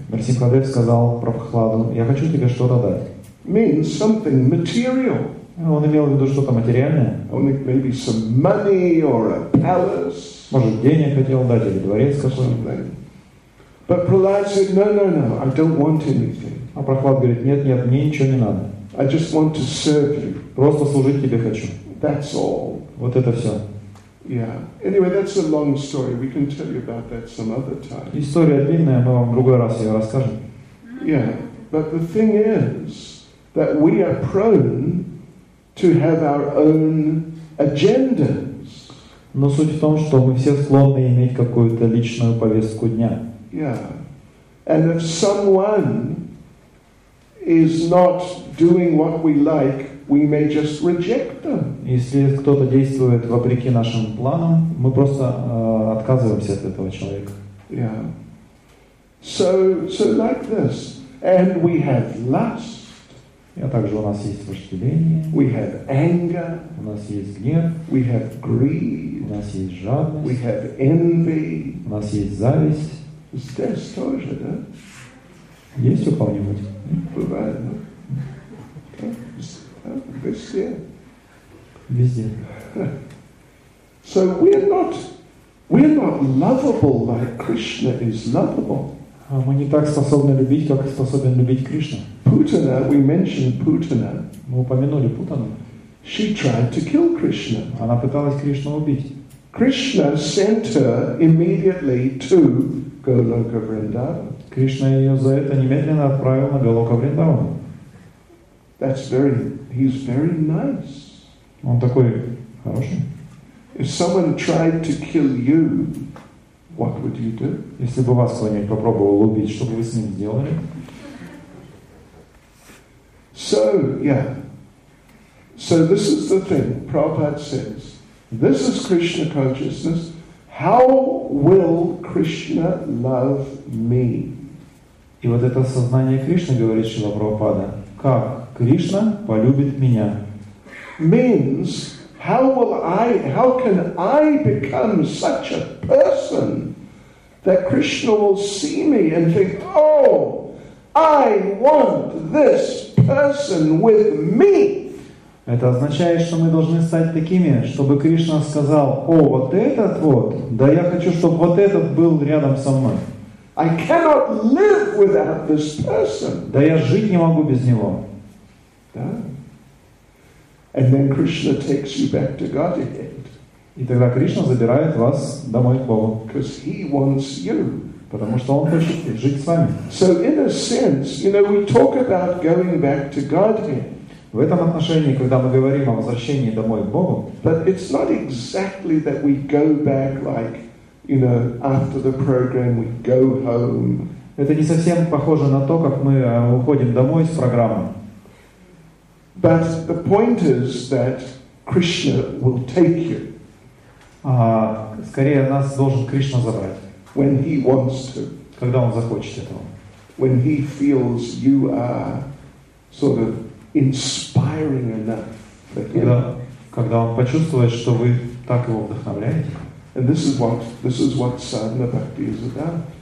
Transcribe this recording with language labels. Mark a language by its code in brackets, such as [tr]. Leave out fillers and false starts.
[ru] Нрисимхадев сказал Прахладу, я хочу тебе что-то дать. [en] Means something material. [ru] Он имел в виду что-то материальное. [en] Maybe some money or a palace. [ru] Может, денег хотел дать или дворец какой-нибудь. [en] But Prahlad said, no, I don't want anything. [ru] А Прахлад говорит, нет, мне ничего не надо. [en] I just want to serve you. [ru] Просто служить тебе хочу. [en] That's all. [ru] Вот это все. [en] Yeah. Anyway, that's a long story. We can tell you about that some other time. [ru] История длинная, мы вам в другой раз ее расскажем. [en] Yeah. But the thing is that we are prone to have our own agendas. [ru] Но суть в том, что мы все склонны иметь какую-то личную повестку дня. [en] Yeah. And if someone is not doing what we like, we may just reject them. [ru] Если кто-то действует вопреки нашим планам, мы просто отказываемся от этого человека. [en] Yeah. So like this. And we have lust. [ru] А также у нас есть вожделение. [en] We have anger. [ru] У нас есть гнев. [en] We have greed. [ru] У нас есть жадность. [en] We have envy. [ru] У нас есть зависть. Здесь тоже, да? Есть у кого-нибудь? Бывает, да? Везде. Везде. [en] So we're not lovable like Krishna is lovable. [ru] Мы не так способны любить, как способен любить Кришна. [en] Путана, we mentioned Путана. [ru] Мы упомянули Путану. [en] She tried to kill Krishna. [ru] Она пыталась Кришну убить. [en] Krishna sent her immediately to Goloka Vrindavan. [ru] Кришна ее за это немедленно отправил на Голока Вриндаван. [en] He's very nice. [ru] Он такой хороший. [en] If someone tried to kill you, what would you do? [ru] Если бы вас кто-нибудь попробовал убить, что бы вы с ним сделали? [en] So, yeah. So this is the thing. Prabhupada says, this is Krishna consciousness. How will Krishna love me? [ru] И вот это сознание Кришны говорит Шрила Прабхупада, как Кришна полюбит меня? [en] means how can I become such a person that Krishna will see me and think, oh, I want this person with me. [ru] Это означает, что мы должны стать такими, чтобы Кришна сказал, о, вот этот вот, да я хочу, чтобы вот этот был рядом со мной. [en] I cannot live without this person. [ru] Да я жить не могу без него. Да. [en] And then Krishna takes you back to Godhead. [ru] И тогда Кришна забирает вас домой к Богу. [en] Because he wants you. [ru] Потому что он хочет жить с вами. [en] So in a sense, you know, we talk about going back to Godhead. [ru] В этом отношении, когда мы говорим о возвращении домой к Богу, [en] but it's not exactly that we go back like, you know, after the program we go home. [ru] Это не совсем похоже на то, как мы уходим домой с программы. [en] But the point is that Krishna will take you. [ru] Скорее нас должен Кришна забрать. [en] When he wants to. [ru] Когда он захочет этого. [en] When he feels you are sort of inspiring enough. [ru] Когда он почувствует, что вы так его вдохновляете. [en] And this is what sadhana bhakti is about.